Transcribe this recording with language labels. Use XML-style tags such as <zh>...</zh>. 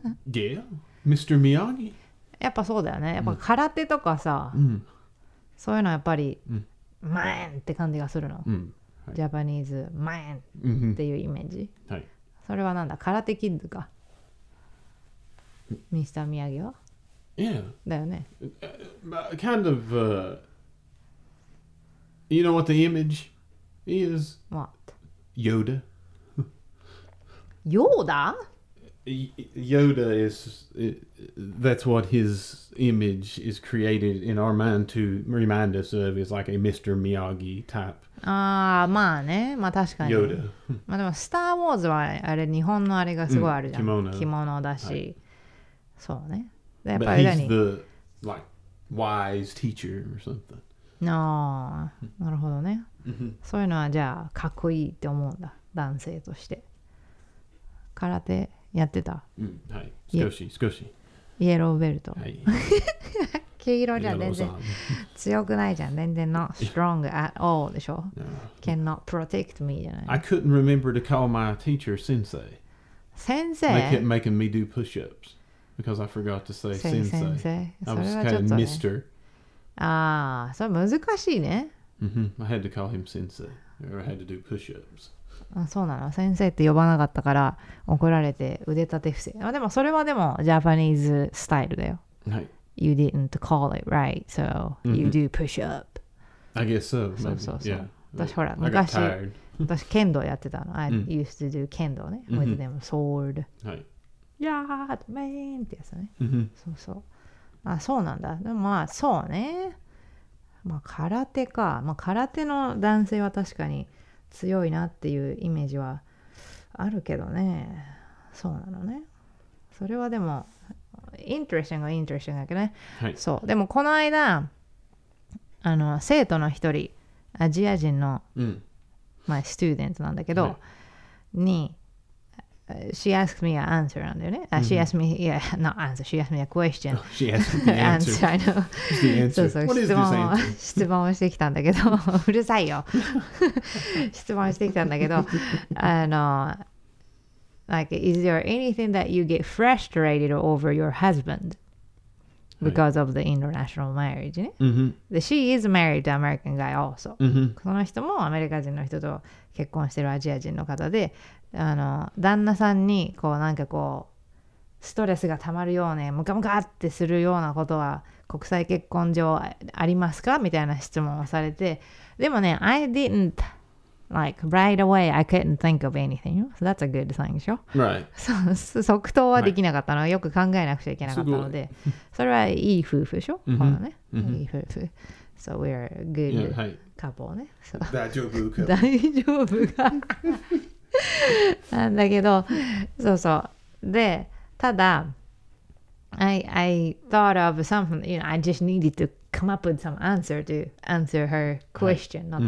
<en>Yeah, Mr. Miyagi.</en> <ja>やっぱそうだよね。やっぱ空手とかさ、そういうのはやっぱり、マンって感じがするの。ジャパニーズマンっていうイメージ。はい。それはなんだ、空手キッズか。 Mr. Miyagi は？</ja> <en>Yeah.</en> <ja>だよね。</ja> <en>Kind of, You know what the image is? What? Yoda. Yoda? Yoda is... that's what his image is created in our mind to remind us of. It's like a Mr. Miyagi type.</en> <ja>Ah, まあね。まあ確かに。</ja> <en>Yoda.</en> <ja>まあでも Star Wars はあれ日本のあれがすごいあるじゃん。 Kimono だし。はい、そうね。やっぱり。</ja> <en>But he's the, like, wise teacher or something.</en> <ja>No, なるほどね。そういうのはじゃあかっこいいって思うんだ、男性として。空手やってた。うん、はい。少し、少し。</ja> <en>イエローベルト。</en> <ja>はい、黄色じゃ全然強くないじゃん。全然</ja> <en>not strong at all</en> <ja>でしょ。</ja> <en>Cannot protect me</en> <ja>じゃない。</ja> <en>I couldn't remember to call my teacher sensei.</en> <ja>先生。</ja> <en>They kept making me do push-ups because I forgot to say sensei.</en> <ja>先生。</ja> <en>I was kind of Mr.</en> <ja>ああ、それ難しいね。</ja> <en>Mm-hmm. I had to call him sensei, or I had to do push-ups.</en> <ja>あ、そうなの。先生って呼ばなかったから怒られて腕立て伏せ。でもそれはでもジャパニーズスタイルだよ。はい。</ja> <en>You didn't call it right, so you do push-up. I guess so.</en> <ja>そうそうそう。</ja> <en>Yeah.</en> <ja>私ほら昔、私剣道やってたの。</ja> <en>I used to do 剣道ね。With them sword.</en> <ja>はい。</ja> <en>Yeah, man!</en> <ja>ってやつね。 Mm-hmm. そうそう。あ、そうなんだ。でもまあそうね。まあ空手か。まあ空手の男性は確かに強いなっていうイメージはあるけどね。そうなのね。それはでも、interesting は interesting だけどね。はい。そう。でもこの間、あの、生徒の一人、アジア人の、まあ、student なんだけど、はい、に、</ja> <en>She asked me an answer, and then she asked me, yeah, not answer, she asked me a question. She asked me an answer. I know. The answer.</en> <ja>そうそう、</ja> <en>What is this answer?</en> <ja>質問をしてきたんだけど、うるさいよ。質問してきたんだけど、あの、</ja> <en>like, is there anything that you get frustrated over your husband because、right. of the international marriage?</en> <ja>ね、 mm-hmm.</ja> <en>She is married to an American guy also.、 Mm-hmm.</en> <ja>その人もアメリカ人の人と結婚してるアジア人の方で、あの旦那さんにこうなんかこうストレスがたまるようねムカムカってするようなことは国際結婚上ありますかみたいな質問をされて、でもね</ja> <en>I didn't like right away I couldn't think of anything、so、that's a good thing</en> <ja>でしょ、</ja> <en>right.</en> <ja>即答はできなかったの、</ja> <en>right.</en> <ja>よく考えなくちゃいけなかったのでそれはいい夫婦でしょ、 mm-hmm. このね、 mm-hmm. いい夫婦</ja> <en>so we're a good yeah, couple、</en> <ja>はい、ね、</ja> <en>so、</en> <ja>大丈夫か大丈夫かなんだけど、そうそう。で、ただ、</ja> <en>I thought of something, you know, I just needed to come up with some answer to answer her question,、</en> <ja>はい、</ja> <en>not、mm-hmm.</en>